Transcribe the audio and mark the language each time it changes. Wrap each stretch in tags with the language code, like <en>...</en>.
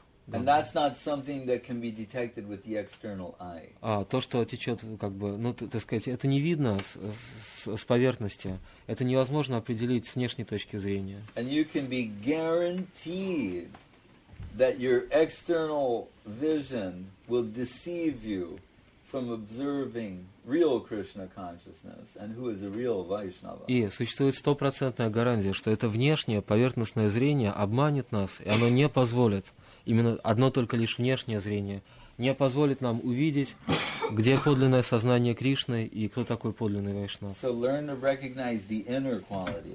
<en>And that's not something that can be detected with the external eye.</en> <ru>То, что течет, как бы, ну, так сказать, это не видно с поверхности. Это невозможно определить с внешней точки зрения.</ru> <en>And you can be guaranteed that your external vision will deceive you from observing real Krishna consciousness and who is a real Vaishnava.</en> <ru>И существует 100% гарантия, что это внешнее поверхностное зрение обманет нас, и оно не позволит. Именно одно только лишь внешнее зрение не позволит нам увидеть, где подлинное сознание Кришны и кто такой подлинный Вайшнав.</ru> <en>So</en>